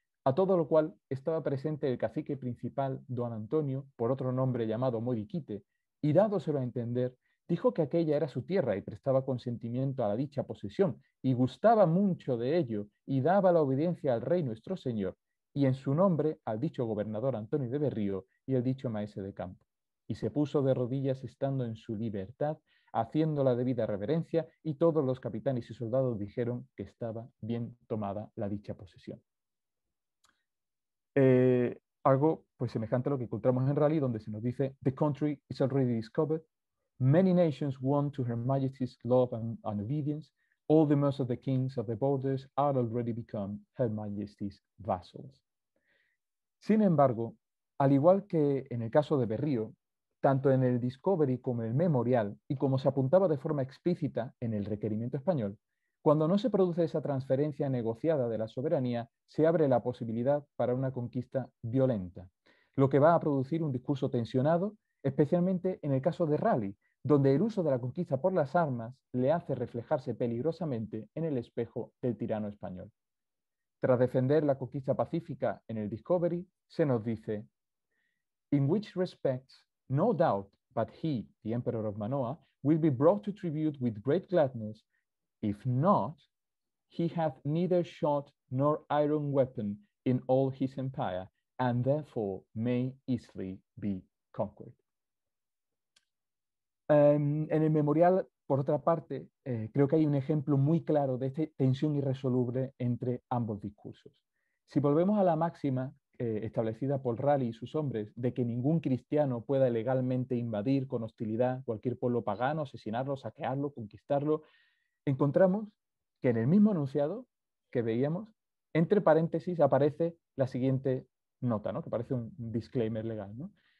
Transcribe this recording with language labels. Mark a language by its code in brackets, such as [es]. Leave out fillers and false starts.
[es] a todo lo cual estaba presente el cacique principal, don Antonio, por otro nombre llamado Moriquite, y dádoselo a entender, dijo que aquella era su tierra y prestaba consentimiento a la dicha posesión, y gustaba mucho de ello, y daba la obediencia al rey nuestro señor, y en su nombre al dicho gobernador Antonio de Berrío y el dicho maese de campo. Y se puso de rodillas estando en su libertad, haciendo la debida reverencia, y todos los capitanes y soldados dijeron que estaba bien tomada la dicha posesión. Algo pues, semejante a lo que encontramos en Raleigh, donde se nos dice, [en] the country is already discovered, many nations won to her majesty's love and obedience, all the most of the kings of the borders are already become her majesty's vassals. [es] Sin embargo, al igual que en el caso de Berrío, tanto en el Discovery como en el Memorial, y como se apuntaba de forma explícita en el requerimiento español, cuando no se produce esa transferencia negociada de la soberanía, se abre la posibilidad para una conquista violenta, lo que va a producir un discurso tensionado, especialmente en el caso de Raleigh, donde el uso de la conquista por las armas le hace reflejarse peligrosamente en el espejo del tirano español. Tras defender la conquista pacífica en el Discovery, se nos dice: [en] In which respects, no doubt, but he, the Emperor of Manoa, will be brought to tribute with great gladness. If not, he hath neither shot nor iron weapon in all his empire, and therefore may easily be conquered. [es] En el memorial, por otra parte, creo que hay un ejemplo muy claro de esta tensión irresoluble entre ambos discursos. Si volvemos a la máxima establecida por Raleigh y sus hombres de que ningún cristiano pueda legalmente invadir con hostilidad cualquier pueblo pagano, asesinarlo, saquearlo, conquistarlo, encontramos que en el mismo enunciado que veíamos, entre paréntesis aparece la siguiente nota, ¿no? Que parece un disclaimer legal, ¿no?